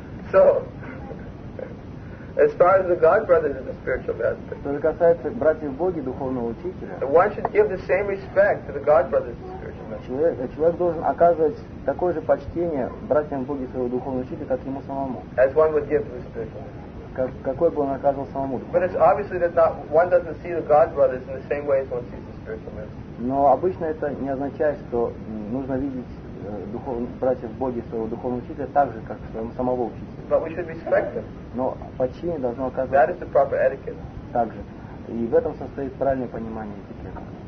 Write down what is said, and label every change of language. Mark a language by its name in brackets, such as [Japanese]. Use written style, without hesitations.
[English] So, as far as the God brothers and the spiritual master. [Russian] Что же касается братьев Боги, духовного учителя. [English] One should give the same respect to the God brothers and spiritual master. [Russian] Человек должен оказывать такое же почтение братьям Боги своего духовного учителя, как ему самому. [English] As one would give to the spiritual master. [Russian] Какой бы он оказывал самому. [English] But it's obviously that not, one doesn't see the God brothers in the same way as one sees the spiritual master. [Russian] Но обычно это не означает, что нужно видеть братьев Боги своего духовного учителя так же, как своего самого учителя. [English] But we should respect them. [Russian] Но подчинение должно оказываться. [English] That is the proper etiquette. [Russian] Так же. И в этом состоит правильное понимание этикета.